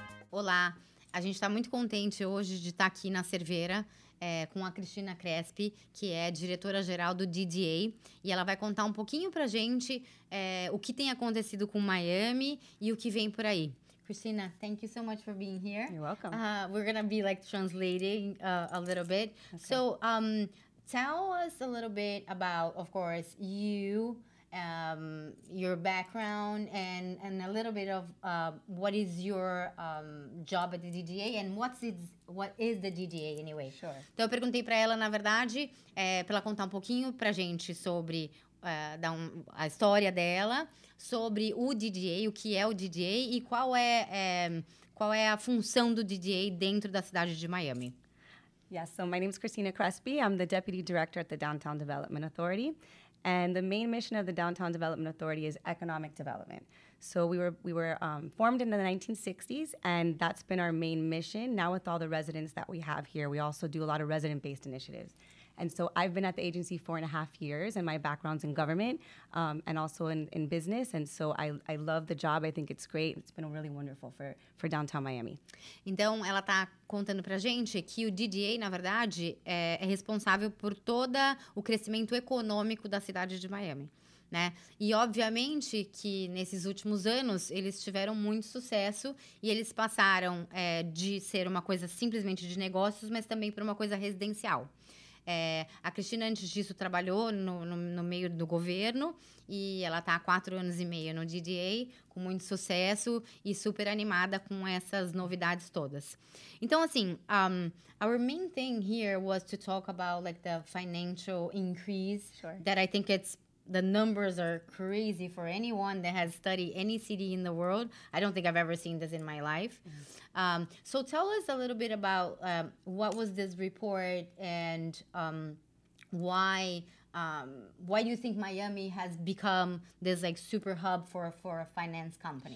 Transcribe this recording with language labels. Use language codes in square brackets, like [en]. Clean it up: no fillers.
[pt] Olá, a gente está muito contente hoje de estar aqui na Cerveira com a Cristina Crespi, que é diretora-geral do DDA, e ela vai contar um pouquinho para a gente o que tem acontecido com Miami e o que vem por aí. [en] Cristina, thank you so much for being here. You're welcome. We're going to be like translating a little bit. Okay. So tell us a little bit about, of course, you, your background, and a little bit of what is your job at the DDA, and what is the DDA anyway? Sure. [pt] Então, eu perguntei para ela, na verdade, para ela contar um pouquinho para a gente sobre a história dela, sobre o DDA, o que é o DDA, e qual é a função do DDA dentro da cidade de Miami. [en] Yes, so my name is Cristina Crespi. I'm the Deputy Director at the Downtown Development Authority. And the main mission of the Downtown Development Authority is economic development. So we were formed in the 1960s, and that's been our main mission. Now with all the residents that we have here, we also do a lot of resident-based initiatives. And so I've been at the agency 4.5 years, and my background's in government and also in business. And so I love the job. I think it's great. It's been really wonderful for downtown Miami. [pt] Então, ela está contando para a gente que o DDA, na verdade, é responsável por todo o crescimento econômico da cidade de Miami. Né? E, obviamente, que nesses últimos anos eles tiveram muito sucesso e eles passaram de ser uma coisa simplesmente de negócios, mas também para uma coisa residencial. A Cristina, antes disso, trabalhou no meio do governo e ela está há 4 anos e meio no DDA, com muito sucesso e super animada com essas novidades todas. Então, assim, [en] our main thing here was to talk about like the financial increase. Sure. That I think it's the numbers are crazy for anyone that has studied any city in the world. I don't think I've ever seen this in my life. Mm-hmm. So tell us a little bit about what was this report and why do you think Miami has become this like super hub for finance companies?